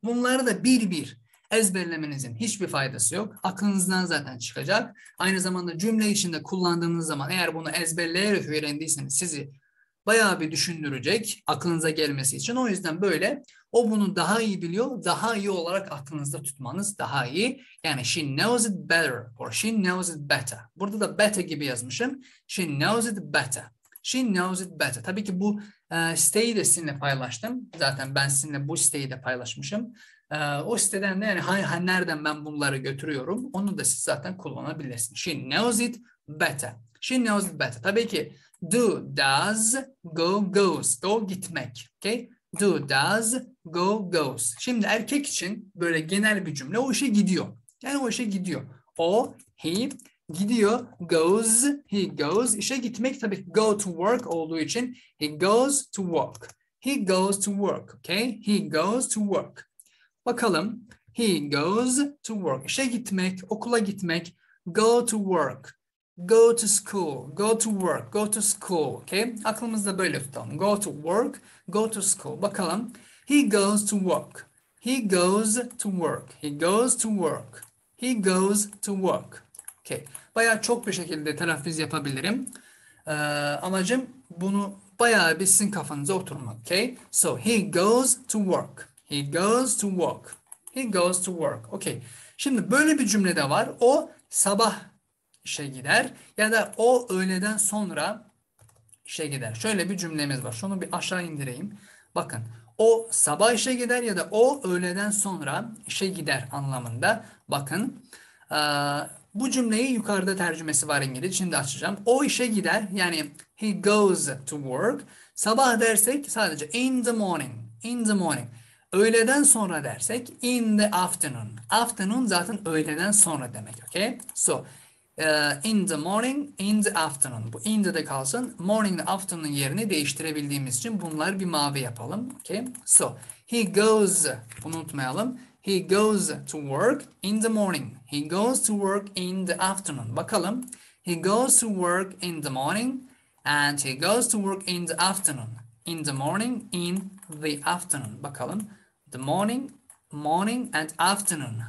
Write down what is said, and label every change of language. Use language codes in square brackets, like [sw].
[tr] Bunları da bir ezberlemenizin hiçbir faydası yok. Aklınızdan zaten çıkacak. Aynı zamanda cümle içinde kullandığınız zaman, eğer bunu ezberleyerek öğrendiyseniz, sizi bayağı bir düşündürecek aklınıza gelmesi için. O yüzden böyle o bunu daha iyi biliyor, daha iyi olarak aklınızda tutmanız daha iyi. [en] Yani she knows it better or she knows it better. [tr] Burada da better gibi yazmışım. [en] She knows it better. She knows it better. [tr] Tabii ki bu siteyi de sizinle paylaştım. Zaten ben sizinle bu siteyi de paylaşmışım. O siteden de, yani nereden ben bunları götürüyorum, onu da siz zaten kullanabilirsiniz. [en] She knows it better. She She knows it better. [tr] Tabii ki [en] do, does, go, goes. Go [tr] gitmek. [en] Okay? Do, does, go, goes. [tr] Şimdi erkek için böyle genel bir cümle. O işe gidiyor. Yani o işe gidiyor. O, he gidiyor. [en] Goes, he goes. [tr] İşe gitmek tabii ki [en] go to work [tr] olduğu için. [en] He goes to work. He goes to work. Okay? He goes to work. [tr] Bakalım. [en] He goes to work. [tr] İşe gitmek, okula gitmek. [en] Go to work. Go to school, go to work, go to school. Okay? [tr] Aklımızda böyle tutalım. [en] Go to work, go to school. [tr] Bakalım. [en] He goes to work. He goes to work. He goes to work. He goes to work. Okay. [tr] Bayağı çok bir şekilde telaffuz yapabilirim. Amacım bunu bayağı bir sizin kafanıza oturmak. [en] Okay? So he goes to work. He goes to work. He goes to work. Okay. [tr] Şimdi böyle bir cümle de var. O sabah işe gider ya da o öğleden sonra işe gider. Şöyle bir cümlemiz var. Şunu bir aşağı indireyim. Bakın, o sabah işe gider ya da o öğleden sonra işe gider anlamında. Bakın, bu cümleyi yukarıda tercümesi var İngilizce. Şimdi açacağım. O işe gider, yani [en] he goes to work. [tr] Sabah dersek sadece [en] in the morning, in the morning. [tr] Öğleden sonra dersek [en] in the afternoon. [tr] Afternoon zaten öğleden sonra demek. [en] Okay? So in the morning, in the afternoon. [tr] Bu in de kalsın. Morning ve afternoon yerini değiştirebildiğimiz için bunlar bir mavi yapalım. [en] Okay. So, he goes, [tr] unutmayalım. [en] He goes to work in the morning. He goes to work in the afternoon. [tr] Bakalım. [en] He goes to work in the morning and he goes to work in the afternoon. In the morning, in the afternoon. [tr] Bakalım. [en] The morning, morning and afternoon.